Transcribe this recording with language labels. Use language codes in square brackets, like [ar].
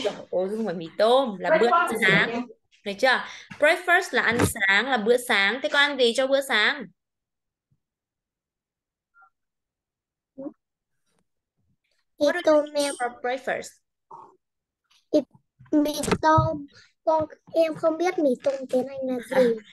[vi] Ủa, không phải mì tôm, là bữa sáng. Được chưa? Breakfast là ăn sáng, là bữa sáng. Thế con ăn gì cho bữa sáng? [en] What do you eat for breakfast? [vi] Mì tôm. Con em không biết mì tôm tiếng Anh là gì.